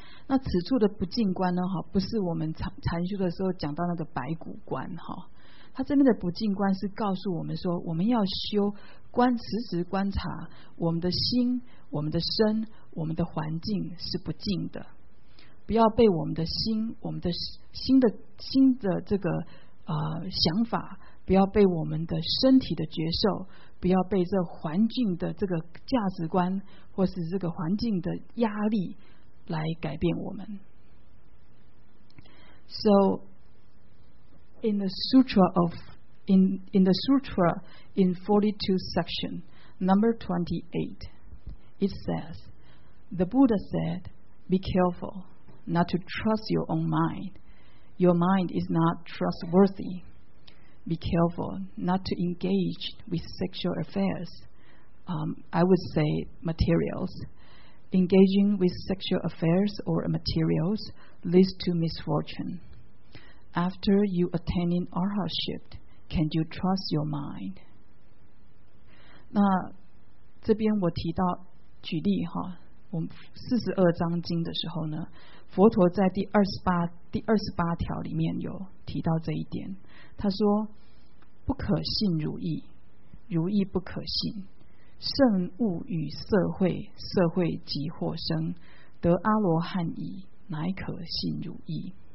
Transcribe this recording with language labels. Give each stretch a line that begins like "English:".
Chinese: 那此处的不净观呢，不是我们禅修的时候讲到那个白骨观，它这边的不净观是告诉我们说，我们要修观，时时观察我们的心、我们的身、我们的环境是不净的，不要被我们的心、我们的心的这个想法，不要被我们的身体的觉受不要被这环境的这个价值观或是这个环境的压力来改变我们。
English: So in the sutra of in the sutra in 42 section number 28 it says the Buddha said be careful not to trust your own mind. Your mind is not trustworthy. Be careful not to engage with sexual affairs. I would say materials. Engaging with sexual affairs or materials leads to misfortune. After you attaining arhatship, can you trust your mind?
Chinese: 那这边我提到举例哈，我们四十二章经的时候呢，佛陀在第二十八条里面有提到这一点，他说不可信如意，如意不可信，圣物与社会，社会即获生，得阿罗汉矣，乃可信如意。